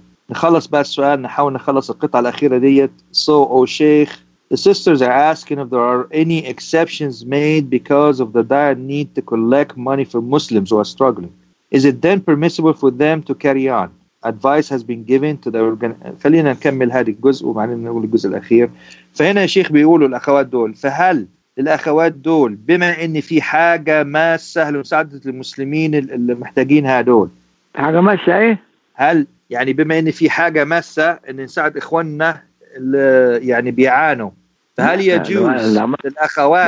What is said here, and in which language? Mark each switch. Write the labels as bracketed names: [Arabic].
[Arabic] نخلص بس السؤال نحاول نخلص القطعة الأخيرة ديت. [English] So, oh Sheikh, the sisters are asking if there are any exceptions made because of the dire need to collect money for Muslims who are struggling. Is it then permissible for them to carry on? Advice has been given to the organization. [Arabic] خلينا نكمل هذا الجزء وبعدين نقول الجزء الأخير. فهنا الشيخ بيقولوا الأخوات دول فهل الأخوات دول بما أن في حاجة ماسة لمساعدة المسلمين اللي محتاجين هادول حاجة ماسة إيه؟ هل يعني بما أن في حاجة ماسة أن نساعد إخواننا اللي يعني بيعانوا فهل يجوز الأخوات